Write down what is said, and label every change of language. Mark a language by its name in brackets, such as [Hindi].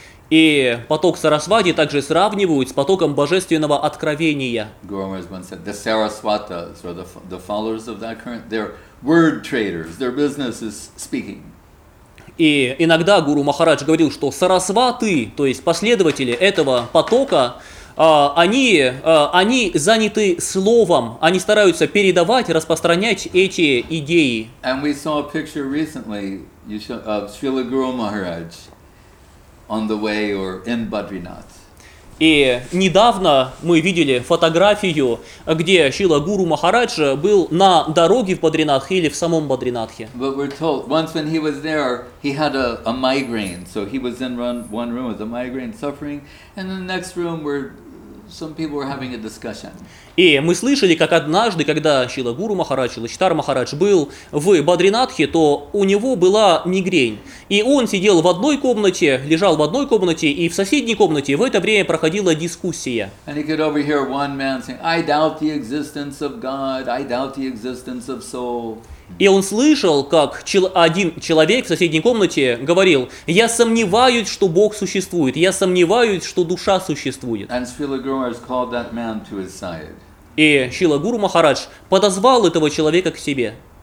[Russian] И поток Сарасвати также сравнивают с потоком божественного откровения. [English] Gurumaharaj once said, the Sarasvatas, or the followers of that current, they're word traders, their business is speaking. [Russian] И иногда Гуру Махарадж говорил, что Сарасваты, то есть последователи этого потока, они заняты словом, они стараются передавать, распространять эти идеи. [English] And we saw a picture recently of Srila Guru Maharaj on the way or in Badrinath. [Russian] И недавно мы видели фотографию, где Шрила Гуру Махарадж был на дороге в Бадринатхе или в самом Бадринатхе. [English] But we're told, once when he was there, he had a migraine. So he was in one room with a migraine suffering. And in the next room, we're some people were having a discussion. [Russian] И мы слышали, как однажды, когда Шрила Гуру Махарадж или Читар Махарадж был в Бадринатхе, то у него была мигрень. И он сидел в одной комнате, лежал в одной комнате, и в соседней комнате в это время проходила дискуссия. [English] And he could overhear one man saying, I doubt the existence of God, I doubt the existence of soul. [Russian] И он слышал, как один человек в соседней комнате говорил: «Я сомневаюсь, что Бог существует, я сомневаюсь, что душа существует». И Шрила Гуру Махарадж подозвал этого человека к себе.